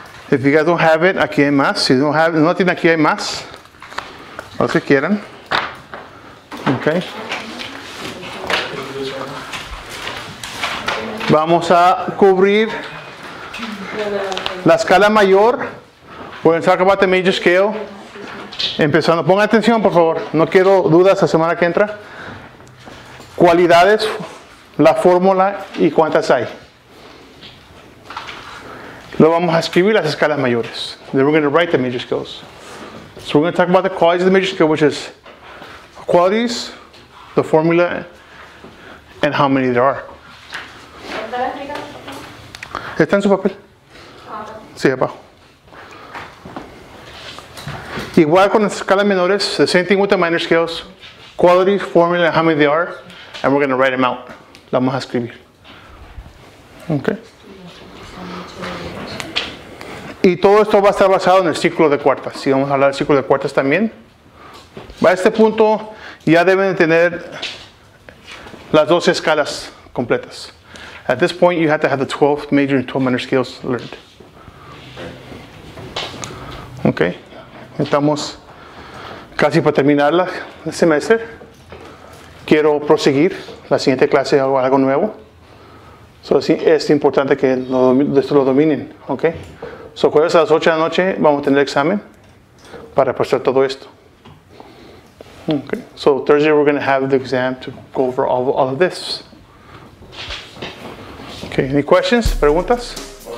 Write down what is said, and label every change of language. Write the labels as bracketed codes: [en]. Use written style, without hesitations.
[en] If you guys don't have it, [es] aquí hay más. [en] If you don't have nothing, [es] aquí hay más. Lo que quieran. [en] Okay. [es] Vamos a cubrir la escala mayor. [en] We're going to talk about the major scale. [es] Empezando, pongan atención por favor, no quiero dudas la semana que entra. Cualidades, la fórmula y cuántas hay. Lo vamos a escribir las escalas mayores. [en] Then we're going to write the major scales. So we're going to talk about the qualities of the major scale, which is qualities, the formula, and how many there are. [es] ¿Está en su papel? Sí, abajo. Igual con las escalas menores, [en] the same thing with the minor scales, qualities, formula, how many they are, and we're going to write them out. [es] La vamos a escribir. Okay. Y todo esto va a estar basado en el círculo de cuartas. Sí, vamos a hablar del círculo de cuartas también. A este punto ya deben tener las 12 escalas completas. [en] At this point, you have to have the 12 major and 12 minor scales learned. [es] Okay. Estamos casi para terminar el semestre. Quiero proseguir la siguiente clase o algo nuevo. So, sí, es importante que esto lo dominen. Okay. So, jueves a las 8 de la noche vamos a tener examen para pasar todo esto. [en] Okay. So, Thursday we're going to have the exam to go over all of this. Okay, any questions? [es] ¿Preguntas?